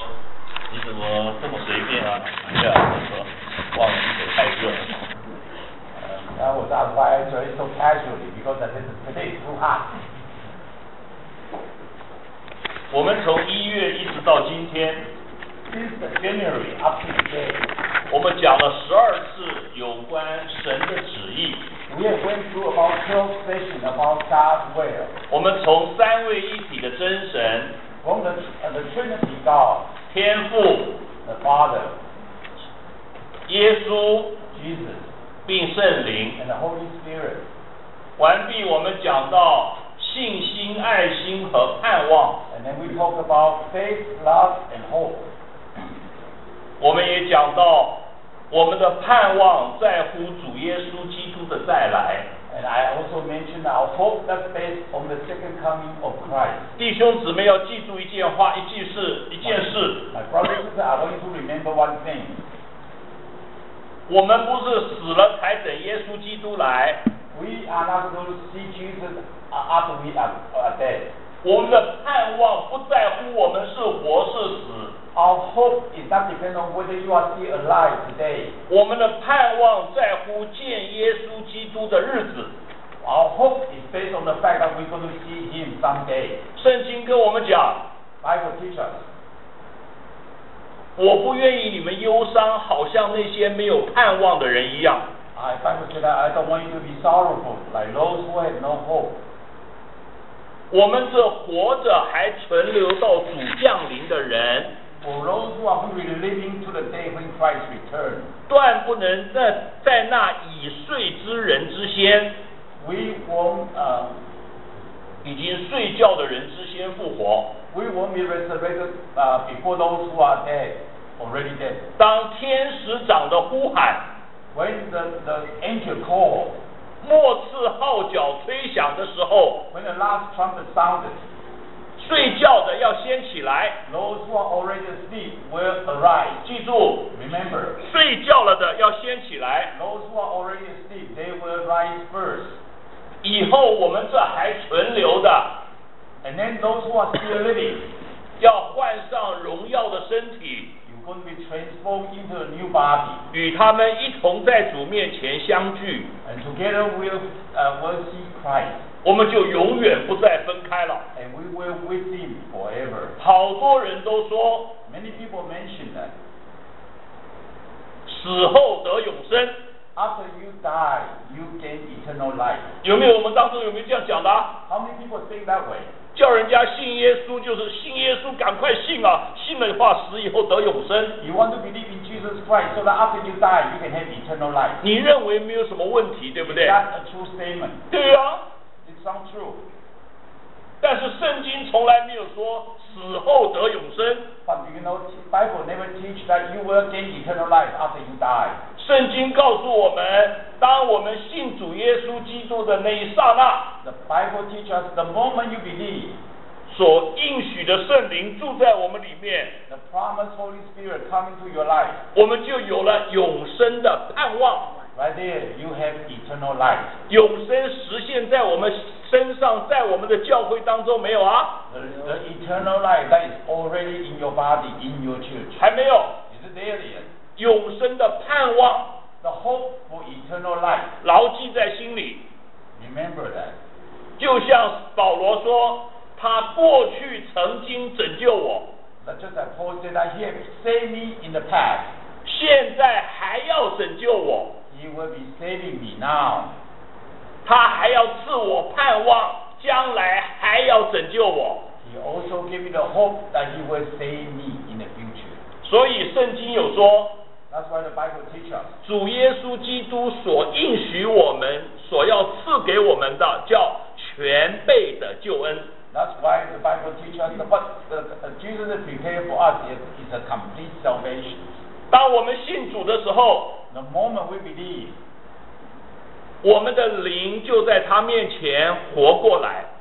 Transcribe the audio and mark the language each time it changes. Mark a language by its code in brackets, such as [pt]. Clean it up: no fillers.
[zh] 说这么随便啊，一下就说忘记得太热了。 [en] That was why I enjoy it so casually, because I didn't play too hard. [zh] 我们从一月一直到今天 [en] since January up to today, [zh] 我们讲了12次有关神的旨意。 [en] We have went through about 12 sessions about God's will. [zh] 我们从三位一体的真神 [en] from the Trinity God, [zh] 天父 [en] the Father, [zh] 耶稣 [en] Jesus, [zh] 并圣灵 [en] and the Holy Spirit. [zh] 完毕我们讲到信心爱心和盼望 [en] and then we talk about faith, love and hope. [zh] 我们也讲到我们的盼望在乎主耶稣基督的再来 [en] and I also mentioned our hope that's based on the second coming of Christ. [zh] 弟兄姊妹要记住一件话一件事一件事 [en] my brothers are going to remember one thing. [zh] 我们不是死了才等耶稣基督来 [en] We are not going to see Jesus after we are dead [zh] 我们的盼望不在乎我们是活是死 [en] Our hope is not dependent on whether you are still alive today [zh] 我们的盼望在乎见耶稣基督的日子 [en] Our hope is based on the fact that we're going to see him someday [zh] 圣经跟我们讲 [en] Bible teaches [zh] 我不愿意你们忧伤，好像那些没有盼望的人一样。 [en] I don't want you to be sorrowful like those who have no hope. [zh] 我们这活着还存留到主降临的人 [en] ，For those who are really living to the day when Christ returns， [zh] 断不能在那已睡之人之先 [en] ，We won't [zh] 已经睡觉的人之先复活。 [en] We won't be resurrected before those who are dead, already dead. [zh] 当天使长的呼喊 [en] ，When the angel calls, [zh] 末次号角吹响的时候 [en] ，When the last trumpet sounded, [zh] 睡觉的要先起来 [en] ，Those who are already asleep will arise. [zh] 记住 [en] ，Remember, [zh] 睡觉了的要先起来 [en] ，Those who are already asleep, they will rise first. [zh] 以后我们这还存留的。 [en] And then those who are still living, [zh] 要换上荣耀的身体 [en] ，you're going to be transformed into a new body, [zh] 与他们一同在主面前相聚 [en] ，and together we'll see Christ. [zh] 我们就永远不再分开了 [en] ，and we will with him forever. [zh] 好多人都说 [en] ，many people mention that [zh] 死后得永生 [en] ，after you die, you gain eternal life. [zh] 有没有我们当中有没有这样讲的 [en] ？How many people think that way? [zh] 叫人家信耶稣就是信耶稣赶快信啊信的话死以后得永生 [en] You want to believe in Jesus Christ so that after you die you can have eternal life [zh] 你认为没有什么问题对不对 [en] That's a true statement [zh] 对啊 [en] It's not true [zh] 但是圣经从来没有说死后得永生 [en] But you know Bible never teach that you will gain eternal life after you die [zh] 圣经告诉我们当我们信主耶稣基督的那一刹那 [en] The Bible teaches us the moment you believe [zh] 所应许的圣灵住在我们里面 [en] The promised Holy Spirit coming to your life [zh] 我们就有了永生的盼望 [en] Right there you have eternal life [zh] 永生实现在我们身上在我们的教会当中没有啊 [en] The eternal life that is already in your body in your church [zh] 还没有 [en] Is it there yet? [zh] 永生的盼望 [en] The hope for eternal life. [zh] 牢记在心里。 [en] Remember that. [zh] 就像保罗说，他过去曾经拯救我。 [en] Just like Paul said, that he saved me in the past. [zh] 现在还要拯救我。 [en] He will be saving me now. [zh] 他还要赐我盼望，将来还要拯救我。 [en] He also gave me the hope that he will save me in the future. [zh] 所以圣经有说。 [en] That's why the Bible teaches us. [zh] 主耶稣基督所应许我们所要赐给我们的叫全备的救恩 [en] That's why the Bible teaches us what Jesus prepared for us is a complete salvation. [zh] 当我们信主的时候 [en] The moment we believe [zh] 我们的灵就在他面前活过来